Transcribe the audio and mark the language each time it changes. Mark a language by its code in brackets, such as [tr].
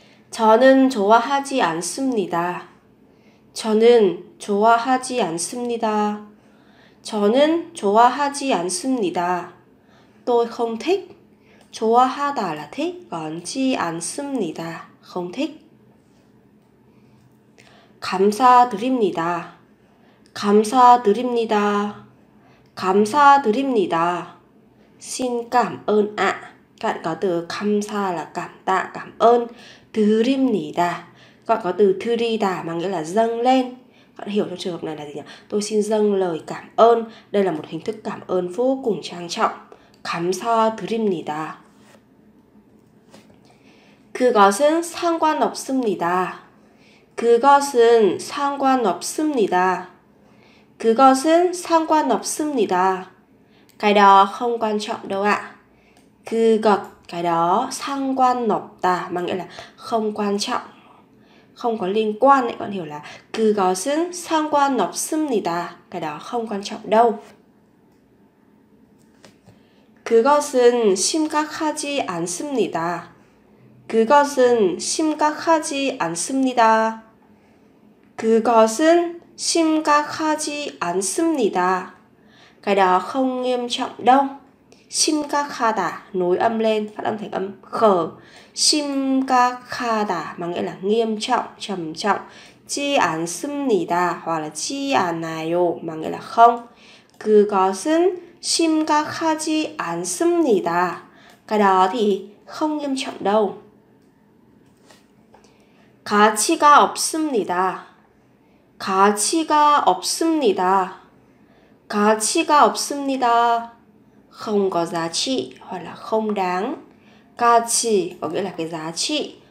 [ko] 저는 좋아하지 않습니다. 저는 좋아하지 않습니다. 저는 좋아하지 않습니다. [vi] Tôi không thích. 좋아하다 là thích. Còn [ko] 지 않습니다. [vi] Không thích. [ko] 감사드립니다. 감사드립니다. 감사드립니다. [vi] Xin cảm ơn ạ. Các bạn có từ 감사 là cảm tạ, cảm ơn. [ko] 드립니다. [vi] Các bạn có từ 드리다 mà nghĩa là dâng lên. Các bạn hiểu trong trường hợp này là gì nhỉ? Tôi xin dâng lời cảm ơn. Đây là một hình thức cảm ơn vô cùng trang trọng. [ko] 감사드립니다. 그것은 상관없습니다. 그것은 상관없습니다. 그것은 상관없습니다. [vi] Cái đó không quan trọng đâu ạ. 그것, cái đó 상관없다 mà nghĩa là không quan trọng, không có liên quan ấy, bạn hiểu là [ko] 그것은 상관없습니다. [vi] Cái đó không quan trọng đâu. [ko] 그것은 심각하지 않습니다. 그것은 심각하지 않습니다. 그것은 심각하지 않습니다. [vi] Cái đó không nghiêm trọng đâu. 심각하다, nối âm lên, phát âm thành âm khờ. 심각하다, mà nghĩa là nghiêm trọng, trầm trọng. [ko] 지 않습니다, [vi] hoặc là [ko] 지 않아요, [vi] mà nghĩa là không. [ko] 그것은 심각하지 않습니다. [vi] Cái đó thì không nghiêm trọng đâu. [ko] 가치가 없습니다. 가치가 없습니다. 가치가 없습니다. [vi] Không có giá trị hoặc là không đáng. 가치 có nghĩa là cái giá trị.